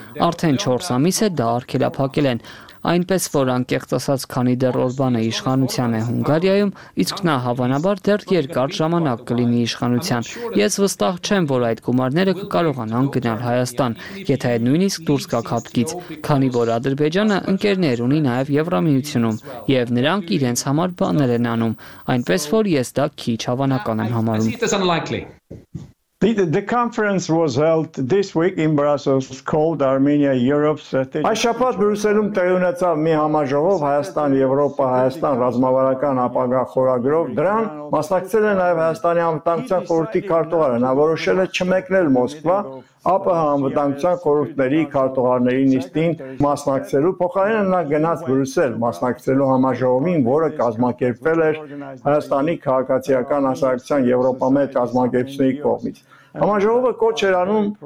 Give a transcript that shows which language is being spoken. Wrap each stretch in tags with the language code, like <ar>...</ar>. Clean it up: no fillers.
<hy>Արդեն 4 ամիս է դա արգելափակել են, այնպես որ անկեղծ ասած, քանի դեռ Օրբանը իշխանության է Հունգարիայում, իսկ նա հավանաբար դեռ երկար ժամանակ կլինի իշխանության, ես վստահ չեմ, որ այդ գումարները կկարողանան գնալ Հայաստան, եթե նույնիսկ դուրս գա հատկից, քանի որ Ադրբեջանը ընկերներ ունի նաև Եվրամիությունում, եւ նրանք իրենց համար բաներ են անում, այնպես որ ես դա քիչ հավանական եմ համարում։</hy> <en>The conference was held this week in Brussels called Armenia Europe Strategy.</en> <hy>Այշապատ Բրյուսելում տեղի ունեցավ մի համաժողով Հայաստան-Եվրոպա, Հայաստան ռազմավարական ապագա խորագրով։ Դրան մասնակցել է նաև Հայաստանի անվտանգության խորհրդի քարտուղարը, նա որոշել է չմեկնել Մոսկվա ԱՊՀ անվտանգության խորհրդների քարտուղարների նիստին մասնակցելու, փոխարենը նա գնաց Բրյուսել մասնակցելու համաժողովին, որը կազմակերպվել էր Հայաստանի քաղաքացիական ասոցիացիան Եվրոպա-Մեծ ազմագերպությունների կողմից։ Համաժողովը կոչ էր անում</hy>